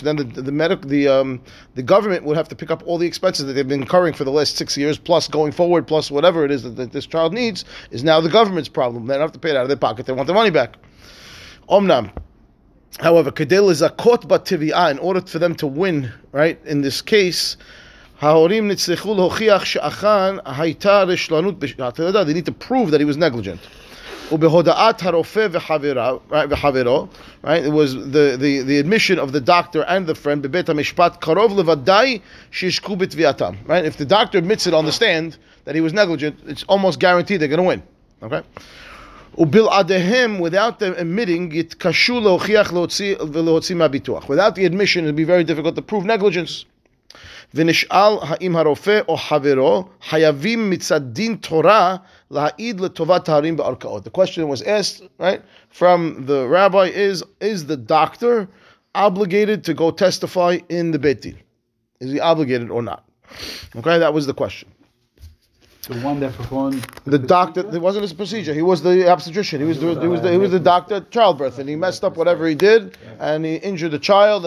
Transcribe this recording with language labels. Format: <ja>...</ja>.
<en>Then the government would have to pick up all the expenses that they've been incurring for the last 6 years, plus going forward, plus whatever it is that this child needs, is now the government's problem. They don't have to pay it out of their pocket. They want the money back.</en> <he>Omnam.</he> <en>However,</en> <he>kedei lezakot bativia,</he> <en>in order for them to win, right, in this case,</en> <he>ההורים נצטרכו להוכיח שאכן הייתה רשלנות בשעת הלידה.</he> <en>They need to prove that he was negligent.</en> <he>ובהודעת הרופא וחברו,</he> <en>right? It was the admission of the doctor and the friend</en> <he>בבית המשפט קרוב לוודאי שישקו בתביעתם.</he> <en>Right? If the doctor admits it on the stand that he was negligent, it's almost guaranteed they're going to win. Okay?</en> <he>ובלעדיהם,</he> <en>without them admitting,</en> <he>יתקשו להוכיח ולהוציא מהביטוח.</he> <en>Without the admission, it would be very difficult to prove negligence.</en> <he>ונשאל האם הרופא או חברו חייבים מצד דין תורה להעיד לטובת ההורים בערכאות.</he> <en>The question was asked, right, from the rabbi is the doctor obligated to go testify in the Beit Din? Is he obligated or not? Okay, that was the question. The one that performed the doctor, it wasn't his procedure. He was the obstetrician. He was the doctor at childbirth, and he messed up whatever he did, and he injured the child.</en>